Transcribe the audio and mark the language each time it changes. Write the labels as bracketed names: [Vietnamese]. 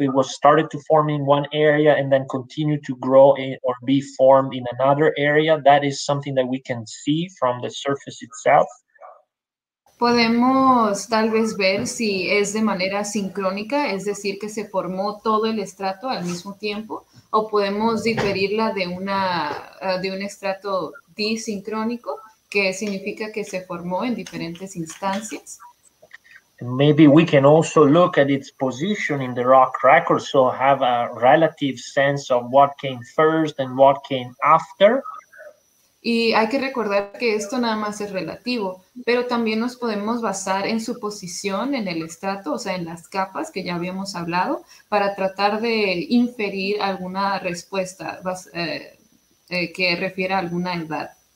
[English] It was started to form in one area and then continue to grow in, or be formed in another area. That is something that we can see from the surface itself. [Spanish] Podemos tal vez ver si es de manera sincrónica, es decir, que se formó todo el estrato al mismo tiempo, o podemos diferirla de una de un estrato disincrónico, que significa que se formó en diferentes instancias. [English] Maybe we can also look at its position in the rock record, so have a relative sense of what came first and what came after. [Spanish] Y hay que recordar que esto nada más es relativo, pero también nos podemos basar en su posición en el estrato, o sea, en las capas que ya habíamos hablado, para tratar de inferir alguna respuesta que refiera a alguna edad.